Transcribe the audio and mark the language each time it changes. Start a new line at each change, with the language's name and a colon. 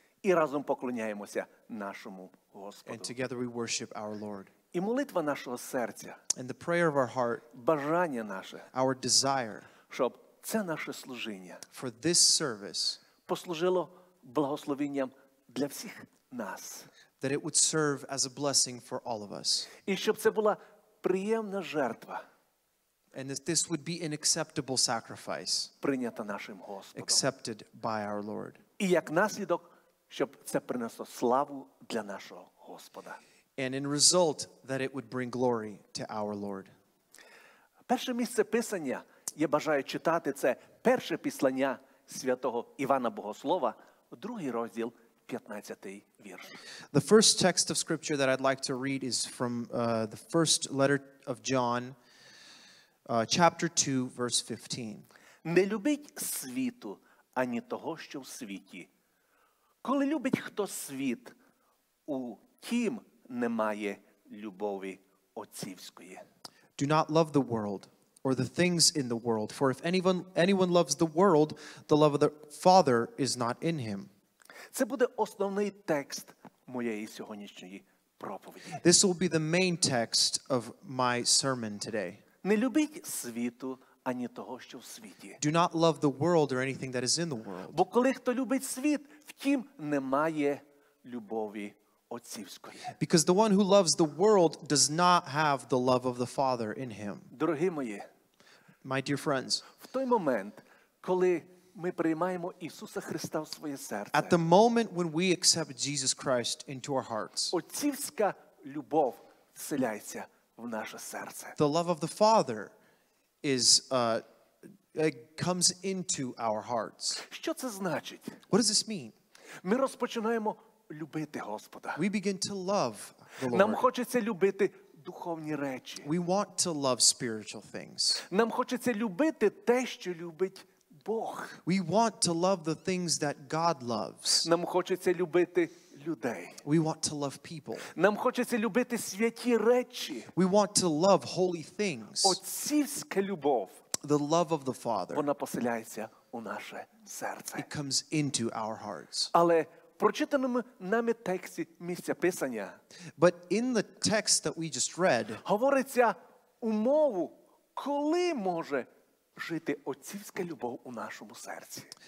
Ukrainian: І разом поклоняємося нашому Господу.
English: And together we worship our Lord.
Ukrainian: І молитва нашого серця.
English: And the prayer of our heart.
Ukrainian: Бажання наше.
English: Our desire.
Ukrainian: Щоб це наше служіння.
English: For this service.
Ukrainian: Послужило благословенням для всіх нас.
English: That it would serve as a blessing for all of us.
Ukrainian: І щоб це була приємна жертва.
English: And that this would be an acceptable sacrifice.
Ukrainian: Прийнята нашим Господом.
English: Accepted by our Lord.
Ukrainian: І як наслідок, щоб це принесло славу для нашого Господа.
English: And in result, that it would bring glory to our Lord.
Ukrainian: Перше місце писання, я бажаю читати, це перше післання святого Івана Богослова, другий розділ, 15-й вірш.
English: The first text of scripture that I'd like to read is from the first letter of John, chapter 2, verse 15.
Ukrainian: Не любить світу, ані того, що в світі. Коли любить хто світ, у тім немає любові отцівської.
English: Do not love the world or the things in the world, for if anyone loves the world, the love of the Father is not in him.
Ukrainian: Це буде основний текст моєї сьогоднішньої проповіді.
English: This will be the main text of my sermon today.
Ukrainian: Не любіть світу, ані того, що в світі.
English: Do not love the world or anything that is in the world.
Ukrainian: Бо коли хто любить світ, в тім немає любові отцівської.
English: Because the one who loves the world does not have the love of the Father in him.
Ukrainian: Дорогі мої,
English: my dear friends,
Ukrainian: в той момент, коли ми приймаємо Ісуса Христа в своє серце,
English: at the moment when we accept Jesus Christ into our hearts,
Ukrainian: отцівська любов вселяється в наше серце.
English: The love of the Father is comes into our hearts.
Ukrainian: Що це значить?
English: What does this mean?
Ukrainian: Ми розпочинаємо любити Господа.
English: We begin to love the Lord.
Ukrainian: Нам хочеться любити духовні речі.
English: We want to love spiritual things.
Ukrainian: Нам хочеться любити те, що любить Бог.
English: We want to love the things that God loves.
Ukrainian: Нам хочеться любити людей.
English: We want to love people.
Ukrainian: Нам хочеться любити святі речі.
English: We want to love holy things.
Ukrainian: Отцівська любов.
English: The love of the Father.
Ukrainian: Вона поселяється у наше серце.
English: It comes into our hearts.
Ukrainian: Але прочитаному нами тексті місця писання.
English: But in the text that we just read,
Ukrainian: говориться умову, коли може жити отцівська любов у нашому серці.